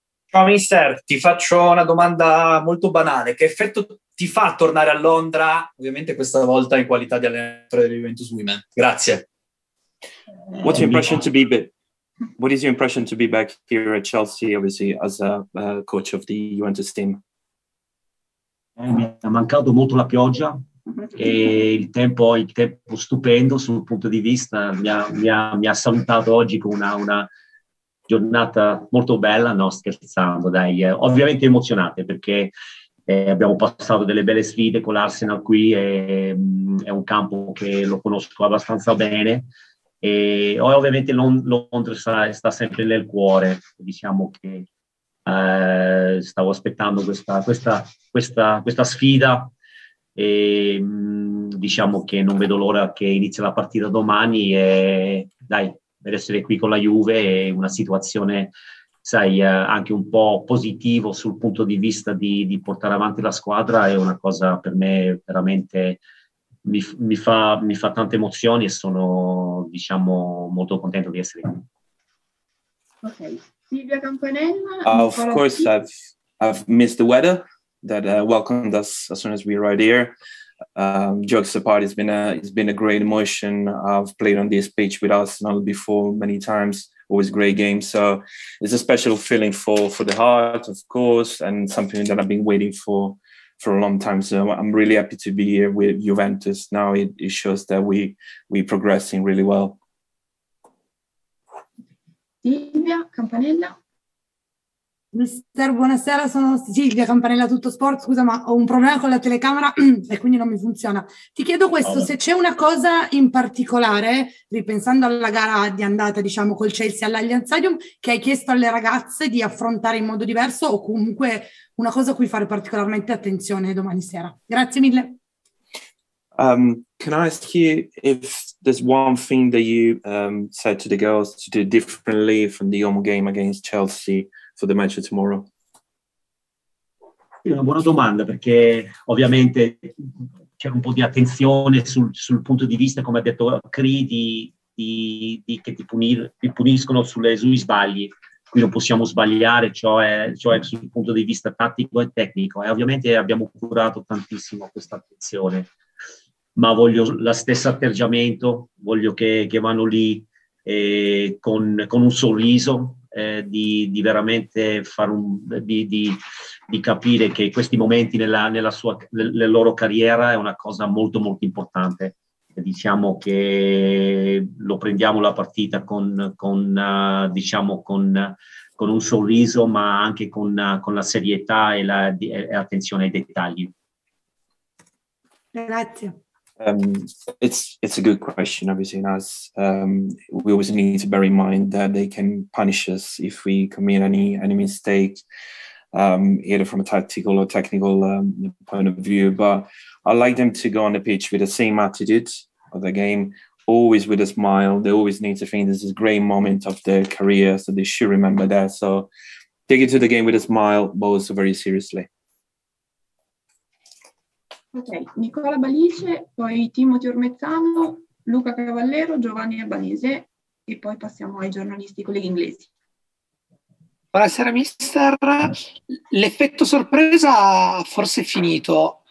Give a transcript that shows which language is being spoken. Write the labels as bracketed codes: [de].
[it] Ciao mister, ti faccio una domanda molto banale. Che effetto ti fa tornare a Londra, ovviamente questa volta in qualità di allenatore del Juventus Women? Grazie. [en] What's your impression to be What is your impression to be back here at Chelsea, obviously, as a coach of the Juventus team? [it] Mi ha mancato molto la pioggia e il tempo stupendo sul punto di vista. Mi ha salutato oggi con una giornata molto bella. No, scherzando, dai. Ovviamente emozionate perché abbiamo passato delle belle sfide con l'Arsenal qui. È un campo che lo conosco abbastanza bene. E ovviamente Londra sta sempre nel cuore, diciamo che stavo aspettando questa sfida e diciamo che non vedo l'ora che inizia la partita domani e dai, per essere qui con la Juve è una situazione, sai, anche un po' positivo sul punto di vista di portare avanti la squadra, è una cosa per me veramente... Mi fa tante emozioni e sono, diciamo, molto contento di essere qui. Ok, Silvia Campanella. [en] Of course, I've missed the weather that welcomed us as soon as we arrived here. Jokes apart, it's been a great emotion. I've played on this pitch with Arsenal before many times. Always great game. So it's a special feeling for the heart, of course, and something that I've been waiting for a long time, so I'm really happy to be here with Juventus. Now it shows that we're progressing really well. Silvia Campanella. [it] Mister, buonasera, sono Silvia Campanella, Tutto Sport. Scusa, ma ho un problema con la telecamera e quindi non mi funziona. Ti chiedo questo, se c'è una cosa in particolare, ripensando alla gara di andata, diciamo, col Chelsea all'Allianz Stadium, che hai chiesto alle ragazze di affrontare in modo diverso o comunque una cosa a cui fare particolarmente attenzione domani sera. Grazie mille. [en] Can I ask you if there's one thing that you said to the girls to do differently from the home game against Chelsea for the match of tomorrow? [it] È una buona domanda, perché ovviamente c'è un po' di attenzione sul punto di vista, come ha detto Cri, che ti puniscono sui sbagli. Qui non possiamo sbagliare, cioè sul punto di vista tattico e tecnico. E ovviamente abbiamo curato tantissimo questa attenzione. Ma voglio lo stesso atteggiamento, voglio che vanno lì con un sorriso, di veramente fare un di capire che questi momenti nella loro carriera è una cosa molto molto importante. Diciamo che lo prendiamo la partita con un sorriso, ma anche con la serietà e la attenzione ai dettagli. Grazie. [en] It's a good question, obviously, and as we always need to bear in mind that they can punish us if we commit any mistake, either from a tactical or technical point of view. But I like them to go on the pitch with the same attitude of the game, always with a smile. They always need to think this is a great moment of their career, so they should remember that. So take it to the game with a smile, but also very seriously. [it] Ok, Nicola Balice, poi Timothy Ormezzano, Luca Cavallero, Giovanni Albanese e poi passiamo ai giornalisti colleghi inglesi. Buonasera mister, l'effetto sorpresa forse è finito.